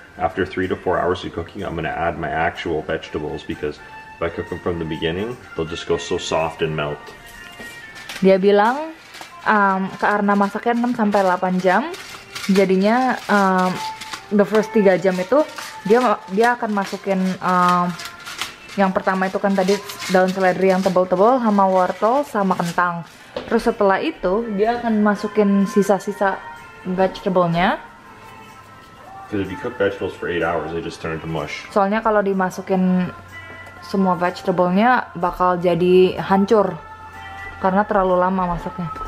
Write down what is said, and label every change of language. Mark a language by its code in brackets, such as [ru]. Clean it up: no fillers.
[en] After 3-4 hours of cooking, I'm gonna add my actual vegetables because if I cook them from the beginning, they'll just go so soft and melt. [id] Dia bilang karena masaknya 6-8 jam, jadinya the first 3 jam itu dia akan masukin yang pertama itu kan tadi daun seledri yang tebal-tebal sama wortel sama kentang. Terus setelah itu dia akan masukin sisa-sisa vegetable-nya. [en] Because if you cook vegetables for 8 hours, they just turn to mush. [id] Soalnya kalau dimasukin semua vegetable-nya bakal jadi hancur karena terlalu lama masaknya.